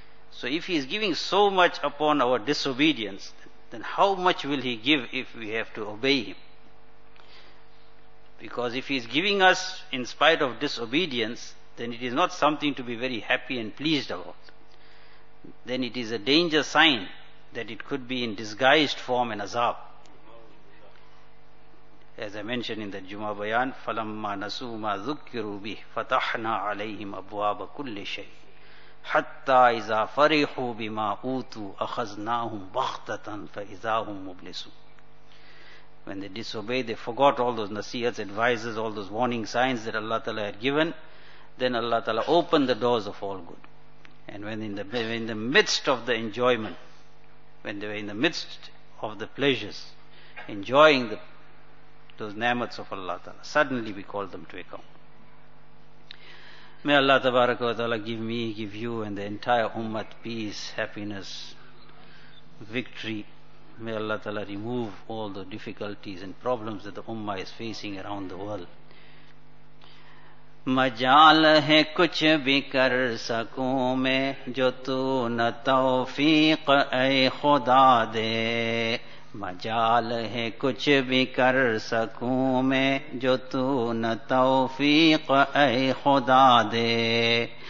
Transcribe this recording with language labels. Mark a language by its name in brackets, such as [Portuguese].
[English] So if He is giving so much upon our disobedience, then how much will He give if we have to obey Him? Because if He is giving us in spite of disobedience, then it is not something to be very happy and pleased about. Then it is a danger sign that it could be in disguised form an azab. As I mentioned in the Jummah Bayan, [Arabic] فَلَمَّا نَسُوا مَا ذُكِّرُوا بِهِ فَتَحْنَا عَلَيْهِمْ أَبْوَابَ كُلِّ شَيْءٍ حَتَّى إِذَا فَرِحُوا بِمَا أُوتُوا أَخَذْنَاهُمْ بَغْتَةً فَإِذَا هُمْ مُبْلِسُونَ. [English] When they disobeyed, they forgot all those nasihats, advices, all those warning signs that Allah Ta'ala had given, then Allah Ta'ala opened the doors of all good. And when in the midst of the enjoyment, when they were in the midst of the pleasures, enjoying those ni'mats of Allah Ta'ala, suddenly we call them to account. May Allah tabaraka wa ta'ala give me, give you and the entire ummah peace, happiness, victory. May Allah ta'ala remove all the difficulties and problems that the ummah is facing around the world. [Urdu] مجال ہے کچھ بھی کر سکوں میں جو تو نہ توفیق اے خدا دے. مجال ہے کچھ بھی کر سکوں میں جو تو نہ توفیق اے خدا دے.